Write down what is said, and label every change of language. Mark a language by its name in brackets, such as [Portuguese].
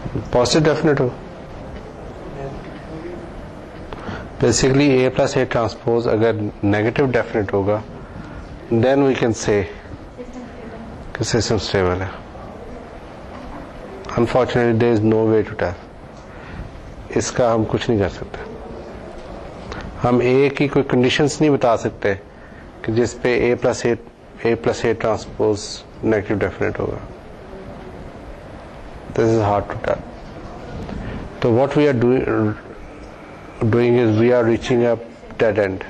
[Urdu] Positive definite ہو, basically a plus A transpose اگر negative definite ہوگا [English] then we can say [Urdu] کہ system stable ہے. [English] Unfortunately, there is no way to tell. [Urdu] اس کا ہم کچھ نہیں کر سکتے, ہم اے کی کوئی کنڈیشنس نہیں بتا سکتے کہ جس پہ اے plus A transpose negative definite ہوگا. [English] This is hard to tell. تو what we are doing is we are reaching a dead end.